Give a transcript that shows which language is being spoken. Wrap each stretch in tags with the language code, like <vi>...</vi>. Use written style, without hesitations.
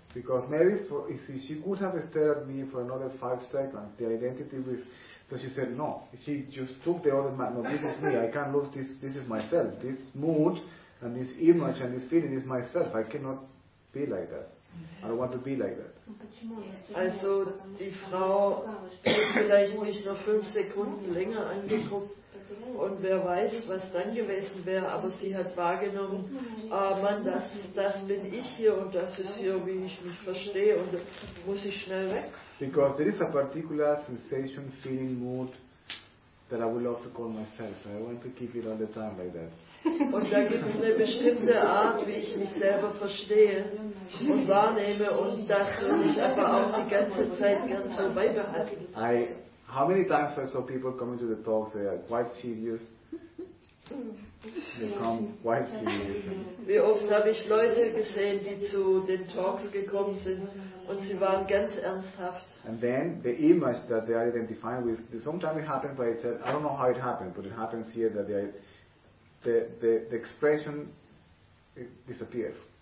<en>Because maybe she could have stared at me for another 5 seconds. The identity was, but she said no. She just took the other man. No, this is me. I can't lose this. This is myself. This mood and this image and this feeling is myself. I cannot be like that. I don't want to be like that.</en> <de>Also die Frau hat vielleicht mich noch 5 Sekunden länger angeguckt und wer weiß, was dann gewesen wäre, aber sie hat wahrgenommen, Mann, das bin ich hier und das ist hier, wie ich mich verstehe und muss ich schnell weg.</de> <en>Because there is a particular sensation, feeling, mood that I would love to call myself. I want to keep it all the time like that.</en> <de>Und da gibt es eine bestimmte Art, wie ich mich selber verstehe und wahrnehme und das will ich aber auch die ganze Zeit gern so beibehalten.</de> <en>How many times I saw people coming to the talks, they are quite serious. They come quite serious.</en> <de>Wie oft habe ich Leute gesehen, die zu den Talks gekommen sind und sie waren ganz ernsthaft.</de> <en>And then the image that they are identifying with, sometimes it happens by itself, I don't know how it happened, but it happens here that they are The expression disappears.</en>